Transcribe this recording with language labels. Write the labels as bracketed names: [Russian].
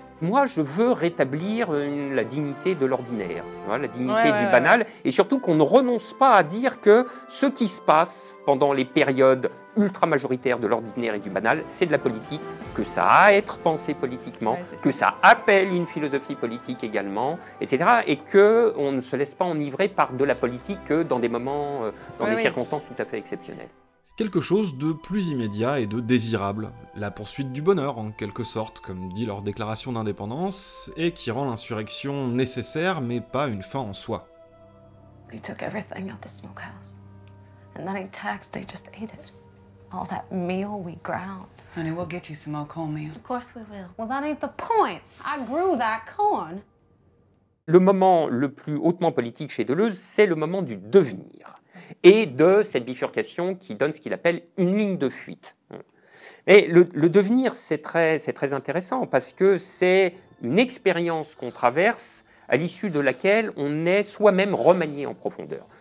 [French] Moi, je veux rétablir la dignité de l'ordinaire, hein, la dignité du banal, et surtout qu'on ne renonce pas à dire que ce qui se passe pendant les périodes ultra-majoritaires de l'ordinaire et du banal, c'est de la politique, que ça a à être pensé politiquement, que ça appelle une philosophie politique également, etc., et qu'on ne se laisse pas enivrer par de la politique que dans des moments, dans des circonstances tout à fait exceptionnelles. Quelque chose de plus immédiat et de désirable, la poursuite du bonheur en quelque sorte, comme dit leur déclaration d'indépendance, et qui rend l'insurrection nécessaire mais pas une fin en soi. [English] They took everything at the smokehouse. And then it taxed, they just ate it. All that meal we ground. Honey, we'll get you some more corn meal. Of course we will. Well, that ain't the point. I grew that corn. [French] Le moment le plus hautement politique chez Deleuze, c'est le moment du devenir. Et de cette bifurcation qui donne ce qu'il appelle une ligne de fuite. Et le devenir, c'est très intéressant parce que c'est une expérience qu'on traverse à l'issue de laquelle on est soi-même remanié en profondeur.